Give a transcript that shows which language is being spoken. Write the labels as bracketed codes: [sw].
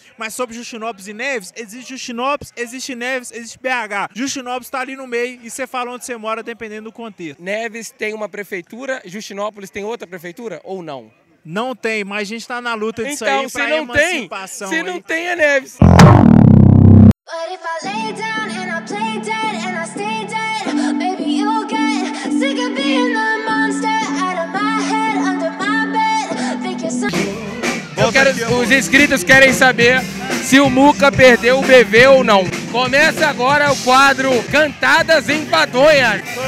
[pt] Mas sobre Justinópolis e Neves, existe Justinópolis, existe Neves, existe BH. Justinópolis tá ali no meio e você fala onde você mora, dependendo do contexto. Neves tem uma prefeitura, Justinópolis tem outra prefeitura ou não? Não tem, mas a gente tá na luta disso então, aí se pra não emancipação. Tem, se não tem, é Neves. [en] But if I lay down and I play dead and I stay dead, maybe you'll get sick of being the monster out of my head, under my bed. Think you're some... [pt] Eu quero, os inscritos querem saber se o Muca perdeu o bebê ou não. Começa agora o quadro Cantadas Enfadonhas.